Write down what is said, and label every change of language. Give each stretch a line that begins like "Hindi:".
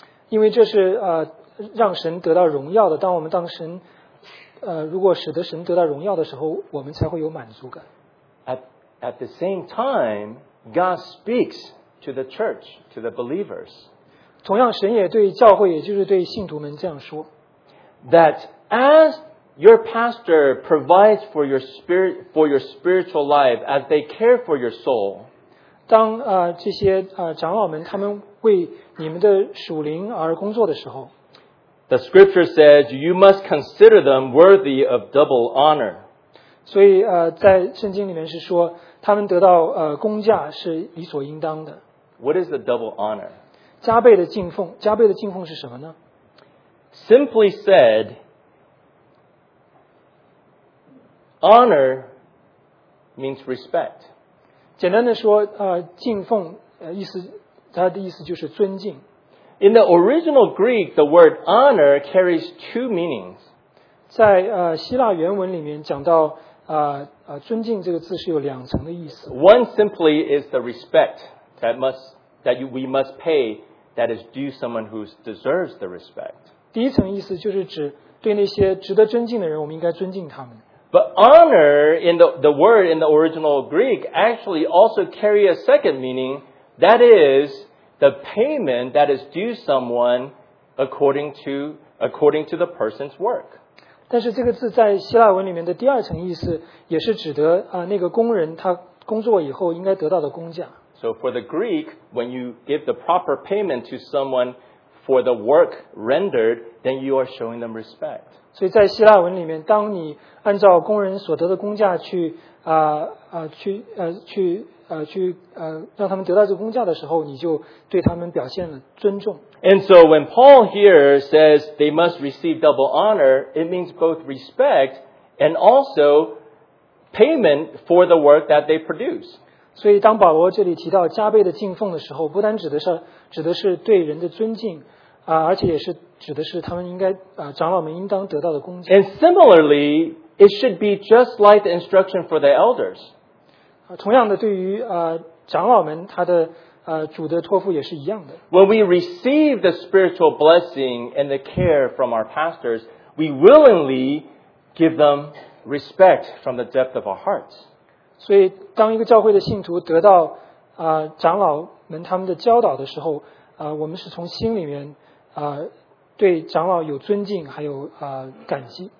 Chinese: 因为这是让神得到荣耀的。当我们当神如果使得神得到荣耀的时候，我们才会有满足感。
English: At the same time, God speaks to the church, to the believers.
Chinese: 同样神也对教会也就是对信徒们这样说
English: That as your pastor provides for your, spirit, for your spiritual life as they care for your soul
Chinese: 当这些长老们他们为你们的属灵而工作的时候
English: The scripture says you must consider them worthy of double honor
Chinese: 所以在圣经里面是说他们得到工价是理所应当的
English: What is the double honor?
Chinese: 加倍的敬奉，加倍的敬奉是什么呢
English: ？Simply said, honor means respect.
Chinese: 简单的说，敬奉，意思，它的意思就是尊敬。
English: In the original Greek, the word honor carries two meanings.
Chinese: 在希腊原文里面讲到尊敬这个字是有两层的意思。
English: One simply is the respect that we must pay. That is due someone who deserves the respect.
Chinese: 第一层意思就是指对那些值得尊敬的人，我们应该尊敬他们。
English: But honor in the word in the original Greek actually also carry a second meaning. That is the payment that is due someone according to the person's work.
Chinese: 但是这个字在希腊文里面的第二层意思也是指得那个工人他工作以后应该得到的工价。
English: So for the Greek, when you give the proper payment to someone for the work rendered, then you are showing them respect.
Chinese: 所以在希腊文里面，当你按照工人所得的工价去让他们得到这个工价的时候，你就对他们表现了尊重。
English: And so when Paul here says they must receive double honor, it means both respect and also payment for the work that they produce.
Chinese: 所以当保罗这里提到加倍的敬奉的时候不单指的是对人的尊敬而且也是指的是他们应该长老们应当得到的工作。
English: And similarly, it should be just like the instruction for the elders.
Chinese: 同样的对于长老们他的主的托付也是一样的。
English: When we receive the spiritual blessing and the care from our pastors, we willingly give them respect from the depth of our hearts.
Chinese: 所以当一个教会的信徒得到长老们他们的教导的时候我们是从心里面对长老有尊敬还有感激。